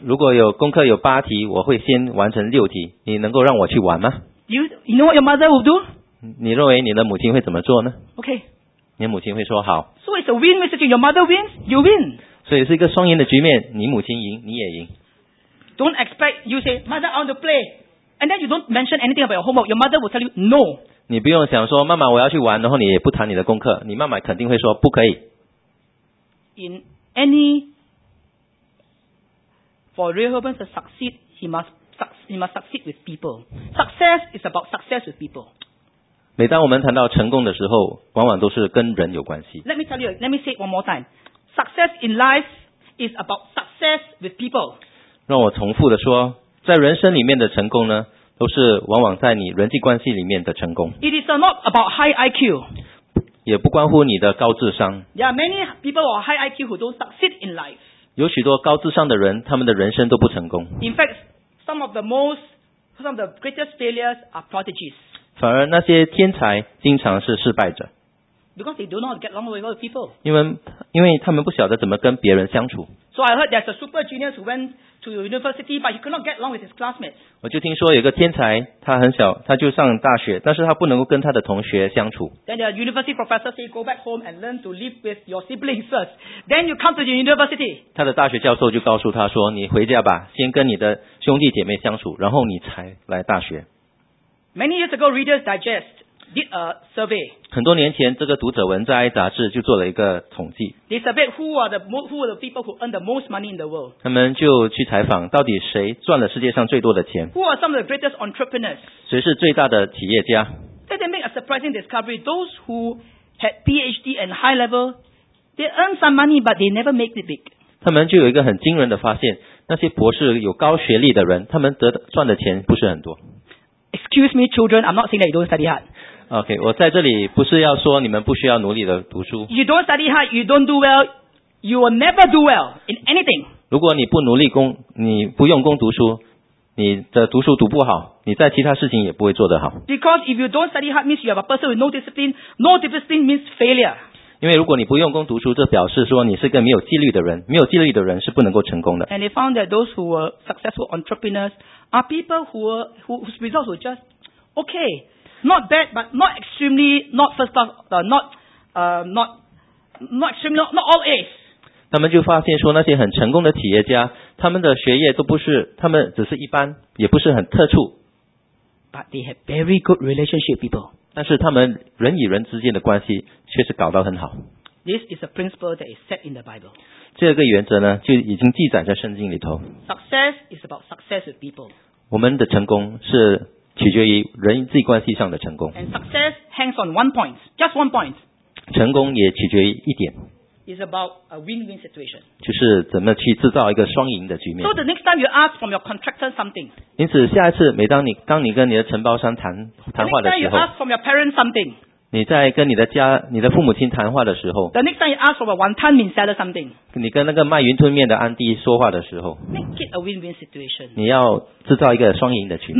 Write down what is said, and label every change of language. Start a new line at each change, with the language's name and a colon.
Chinese: 如果有功课有8题，我会先完成6题，你能够让我去玩吗？
English: You know what your mother will do?
Chinese: 你认为你的母亲会怎么做呢？
English: Okay.
Chinese: 你的母亲会说好。
English: So it's a win-win situation. Your mother wins, you win.
Chinese: 所以是一个双赢的局面，你母亲赢，你也赢。
English: Don't expect you say, Mother, I want to play. And then you don't mention anything about your homework. Your mother will tell you no.
Chinese: 你不用想说妈妈我要去玩，然后你也不谈你的功课，你妈妈肯定会说不可以。
English: In any for real human to succeed, he must succeed with people. Success is about success with people.
Chinese: 每当我们谈到成功的时候，往往都是跟人有关系。
English: Let me say it one more time. Success in life is about success with people.
Chinese: 让我重复的说，在人生里面的成功呢，都是往往在你人际关系里面的成功。
English: It is not about high IQ.
Chinese: 也不关乎你的高智商。
English: There are many people with high IQ who don't succeed in life.
Chinese: 有许多高智商的人，他们的人生都不成功。
English: In fact, some of the greatest failures are prodigies.
Chinese: 反而那些天才经常是失败者。
English: Because they do not get along with people.
Chinese: 因为他们不晓得怎么跟别人相处。
English: So I heard there's a super genius who went to university, but he could not get along with his classmates.
Chinese: 我就听说有个天才，他很小，他就上大学，但是他不能够跟他的同学相处。
English: Then the university professor say, "Go back home and learn to live with your siblings first. Then you come to the university."
Chinese: 他的大学教授就告诉他说：“你回家吧，先跟你的兄弟姐妹相处，然后你才来大学。”
English: Many years ago, Reader's Digest. Did a survey.
Chinese: 很多年前，这个读者文摘杂志就做了一个统计。
English: They surveyed who are the people who earn the most money in the world.
Chinese: 他们就去采访，到底谁赚了世界上最多的钱。
English: Who are some of the greatest entrepreneurs?
Chinese: 谁是最大的企业家？
English: Then they make a surprising discovery. Those who had PhD and high level, they earn some money, but they never make it big.
Chinese: 他们就有一个很惊人的发现，那些博士有高学历的人，他们赚的钱不是很多。
English: Excuse me, children. I'm not saying that you don't study hard.
Chinese: Okay, 我在这里不是要说你们不需要努力的读书。
English: You don't study hard, you don't do well, you will never do well in anything.
Chinese: 如果你不努力功，你不用功读书，你的读书读不好，你在其他事情也不会做得好。
English: Because if you don't study hard means you have a person with no discipline. No discipline means failure.
Chinese: 因为如果你不用功读书，这表示说你是个没有纪律的人，没有纪律的人是不能够成功的。
English: And they found that those who were successful entrepreneurs. Are people whose results were just okay, not bad, but not extremely, not first class, not extremely, not all A's.
Chinese: 他们就发现说那些很成功的企业家，他们的学业都不是，他们只是一般，也不是很特殊。
English: But they have very good relationship people.
Chinese: 但是他们人与人之间的关系确实搞到很好。
English: This is a principle that is set in the Bible.
Chinese: 这个原则呢，就已经记载在圣经里头。
English: Success is about success with people.
Chinese: 我们的成功是取决于人际关系上的成功。
English: And success hangs on one point, just one point.
Chinese: 成功也取决于一点。
English: It's about a win-win situation.
Chinese: 就是怎么去制造一个双赢的局面。
English: So the next time you ask from your contractor something.
Chinese: 因此下一次每当 当你跟你的承包商 谈话的时候。
English: The next time you ask from your parents something.
Chinese: 你在跟你的家你的父母亲谈话的时候。
English: The next time you ask from a wonton mee seller something.
Chinese: 你跟那个卖云吞面的安迪说话的时候。
English: Make it a win-win situation.
Chinese: 你要制造一个双赢的局面。